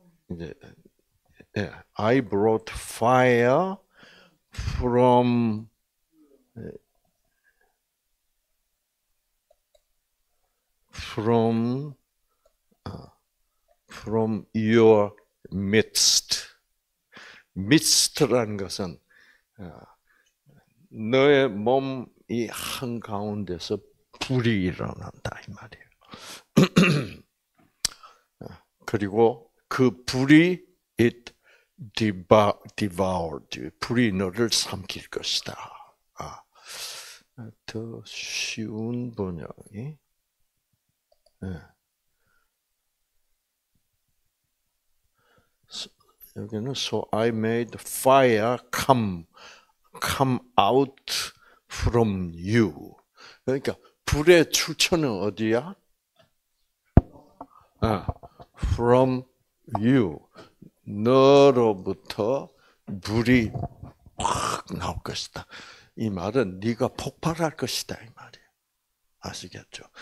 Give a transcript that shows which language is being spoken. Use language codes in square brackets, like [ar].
[ko] 이제, [en] I brought fire from from your midst. [ko] Midst라는 것은 너의 몸이 한 가운데서 불이 일어난다 이 말이에요. 그리고 그 불이 devoured. 불이 너를 삼킬 것이다. 아, 더 쉬운 번역이. 여기는 [en] so I made fire come out from you. [ko] 그러니까 불의 출처는 어디야? [en] From you. [ko] 너로부터 불이 확 나올 것이다. 이 말은 네가 폭발할 것이다 이 말이야. 아시겠죠?